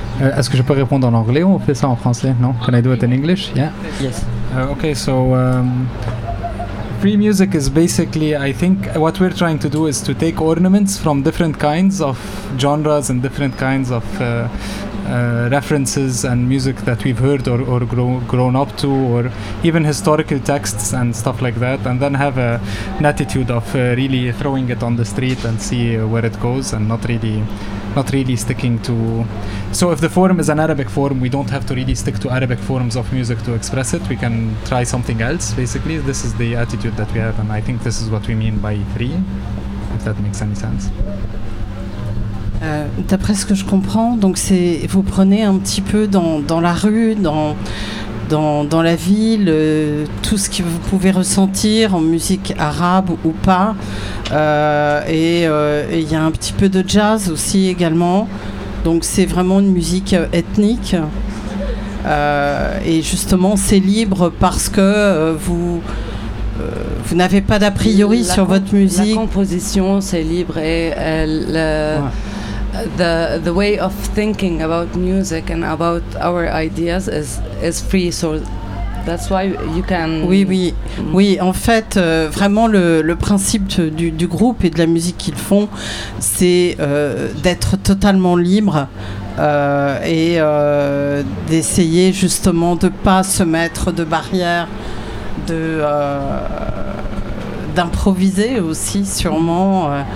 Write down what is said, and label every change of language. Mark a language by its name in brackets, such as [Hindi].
[French] Est-ce que je peux répondre en anglais ou on fait ça en français? [English] Non. Can I do it in English? Yeah. Yes. Okay. So free music is basically, I think, what we're trying to do is to take ornaments from different kinds of genres and different kinds of references and music that we've heard or grown up to, or even historical texts and stuff like that, and then have an attitude of really throwing it on the street and see where it goes, and not really sticking to. So if the form is an Arabic form, we don't have to really stick to Arabic forms of music to express it. We can try something else. Basically, this is the attitude that we have, and I think this is what we mean by free, if that makes any sense. [French] D'après ce que je comprends, donc c'est vous prenez un petit peu dans la rue, dans la ville, tout ce que vous pouvez ressentir en musique arabe ou pas, et il y a un petit peu de jazz aussi également. Donc c'est vraiment une musique ethnique, et justement c'est libre parce que vous n'avez pas d'a priori sur votre musique. La composition c'est libre et elle. [English] The way of thinking about music and about our ideas is free, so that's why you can. [French] Oui. En fait, vraiment le principe du groupe et de la musique qu'ils font, c'est d'être totalement libre et d'essayer justement de pas se mettre de barrières, d'improviser aussi sûrement.